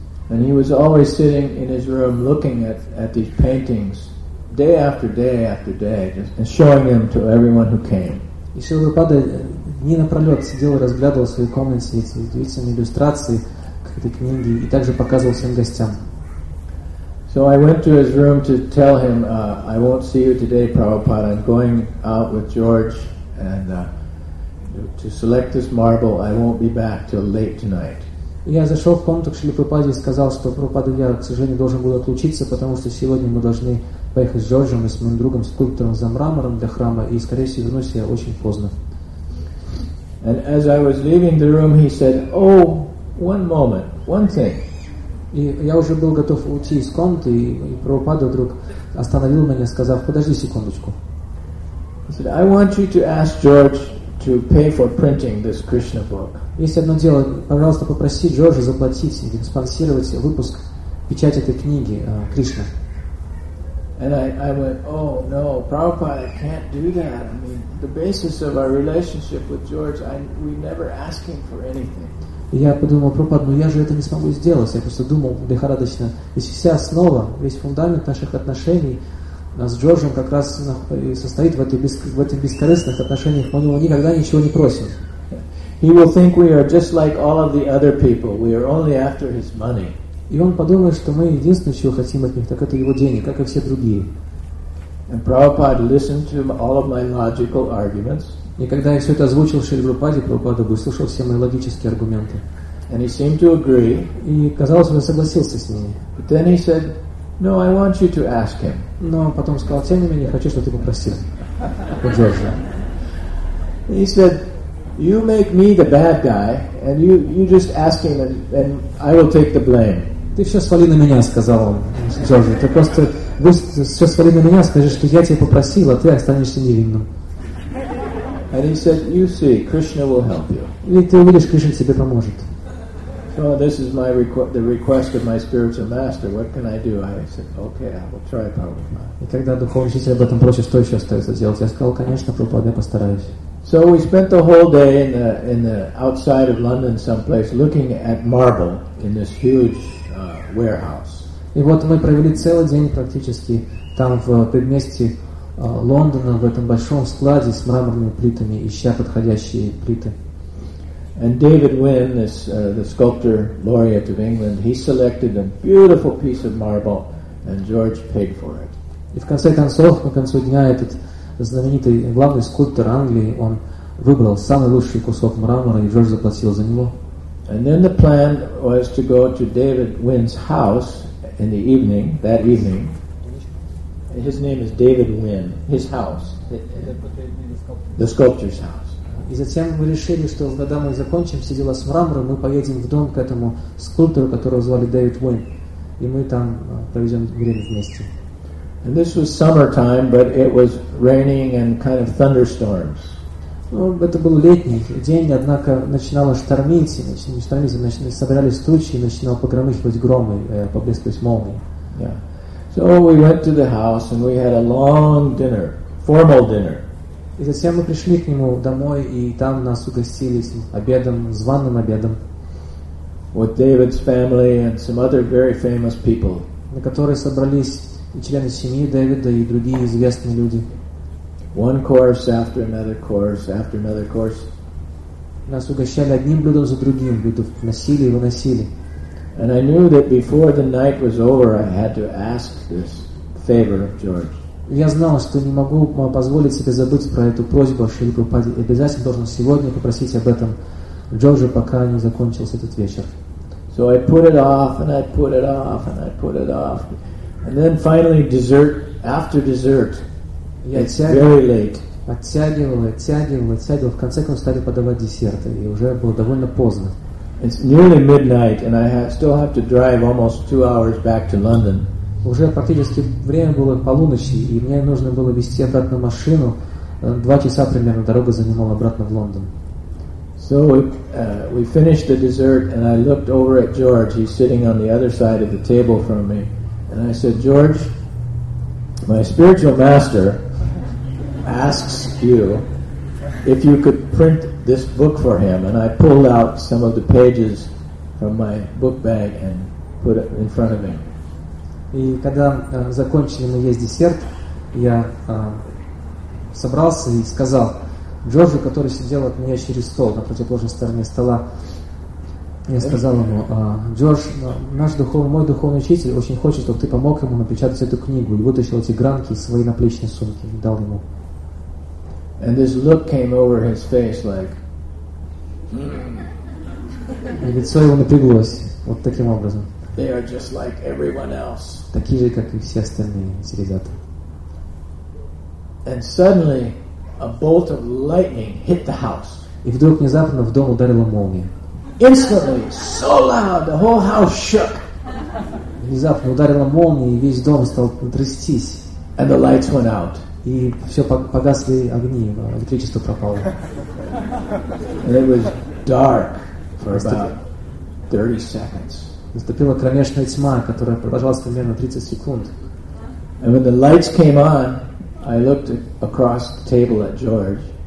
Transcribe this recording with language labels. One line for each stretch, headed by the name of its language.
English: And he was always sitting in his room looking at these paintings day after day after day and showing them to everyone who came.
Russian: И Шрила Прабхупада дни напролет сидел и разглядывал в своей комнате эти удивительные иллюстрации к этой книге и также показывал всем гостям.
English: So I went to his room to tell him, I won't see you today, Prabhupada. I'm going out with George and to select this marble. I won't be back till late tonight.
Russian: Я зашел в комнату к Шрили Прабхупаде и сказал, что Прабхупада, я, к сожалению, должен буду отлучиться, потому что сегодня мы должны поехать с Джорджем и с моим другом скульптором за мрамором для храма, и, скорее всего, вернусь я очень поздно.
English: And as I was leaving the room, he said, "Oh, one moment, one thing."
Russian: И я уже был готов уйти из комнаты, и Прабхупада вдруг остановил меня, сказав, подожди секундочку.
English: He said, "I want you to ask George to pay for printing this Krishna book."
Russian: Есть одно дело, пожалуйста, попроси Джорджа заплатить или спонсировать выпуск печати этой книги Кришна.
English: And I went, oh no, Prabhupada, I can't do that. I mean, the basis of our relationship with George, we never ask him for anything.
Russian: Я подумал, Прабхупада, ну я же это не смогу сделать. Я просто думал лихорадочно, если вся основа, весь фундамент наших отношений с Джорджем как раз и состоит в этих бескорыстных отношениях, мы его никогда ничего не просим.
English: He will think we are just like all of the other people. We are only after his money.
Russian: И он подумает, что мы единственное, чего хотим от них, так это его деньги, как и все другие.
English: And Prabhupada listened to all of my logical arguments.
Russian: И когда я все это озвучил Шри Прабхупаде, Прабхупада выслушал все мои логические аргументы.
English: And he seemed to agree.
Russian: И казалось, он согласился с ними.
English: But then he said, no, I want you to ask him.
Russian: Но потом сказал, тем не менее, я хочу, чтобы ты попросил у Джорджа.
English: He said, you make me the bad guy, and you just ask him, and I will take the blame.
Russian: Ты все свали на меня, сказал он Джорджу. Ты просто все свали на меня, скажи, что я тебя попросил, а ты останешься невинным.
English: And he said, "You see, Krishna will help you."
Russian: И ты увидишь, Кришна тебе поможет.
English: So this is my the request of my spiritual master. What can I do? I said, "Okay, I will try, Prabhupada."
Russian: И когда духовный учитель об этом просит, что еще остается делать? Я сказал, конечно, Прабхупада, я постараюсь.
English: So we spent the whole day in the outside of London, someplace, looking at marble in this huge warehouse.
Russian: И вот мы провели целый день практически там в предместье Лондона в этом большом складе с мраморными плитами, ища подходящие плиты.
English: And David Wynne, the sculptor laureate of England, he selected a beautiful piece of marble, and George paid for it.
Russian: И в конце концов, к концу дня, этот знаменитый главный скульптор Англии, он выбрал самый лучший кусок мрамора, и Джордж заплатил за него.
English: And then the plan was to go to David Wynne's house in the evening, that evening. His name is David Wynne. His house, the sculptor's house.
Russian: И затем мы решили, что когда мы закончим все дела с мрамором, мы поедем в дом к этому скульптору, которого звали Дэвид Уинн, и мы там проведем время вместе.
English: And this was summertime, but it was raining and kind of thunderstorms.
Russian: Ну, это был летний день, однако начинало штормить, собирались тучи, начинало погромыхивать громы, поблескивать молнии.
English: Yeah. So we went to the house and we had a long dinner, formal dinner.
Russian: И затем мы пришли к нему домой, и там нас угостили обедом, званым обедом.
English: With David's family and some other very famous people.
Russian: На которой собрались и члены семьи Дэвида, и другие известные люди.
English: One course after another course after another course.
Russian: Нас угощали одним блюдом за другим, блюдом носили и выносили.
English: And I knew that before the night was over, I had to ask this favor of George.
Russian: Я знал, что не могу позволить себе забыть про эту просьбу о Шри Прабхупаде. Обязательно должен сегодня попросить об этом Джорджа, пока не закончился этот вечер.
English: So I put it off, and I put it off, and I put it off. And then finally, dessert, after dessert, it's very late.
Russian: Оттягивал. В конце концов стали подавать десерты, и уже было довольно поздно.
English: It's nearly midnight, and I still have to drive almost 2 hours back to London.
Russian: Уже практически время было полуночи, и мне нужно было везти обратно машину. 2 часа примерно дорога занимала обратно в Лондон.
English: So we finished the dessert, and I looked over at George. He's sitting on the other side of the table from me, and I said, "George, my spiritual master asks you if you could print this book for him," and I pulled out some of the pages from my book bag and put it in front of him.
Russian: И когда закончили мы есть десерт, я собрался и сказал Джорджу, который сидел от меня через стол на противоположной стороне стола, я сказал ему: "Джордж, мой духовный учитель очень хочет, чтобы ты помог ему напечатать эту книгу", и вытащил эти гранки из своей наплечной сумки и дал ему.
English: And this look came over his face like.
Russian: И лицо его напряглось вот таким образом.
English: They are just like everyone else.
Russian: Такие же, как и все остальные ребята.
English: And suddenly, a bolt of lightning hit the house.
Russian: И вдруг внезапно в дом ударила молния.
English: Instantly, so loud, the whole house shook.
Russian: Внезапно ударила молния, и весь дом стал трястись.
English: And the lights went out.
Russian: И все погасли огни, электричество пропало.
English: And it was dark for about 30 seconds.
Russian: Наступила кромешная тьма, которая продолжалась примерно 30 секунд.
English: And when the lights came on, I looked across the table at George.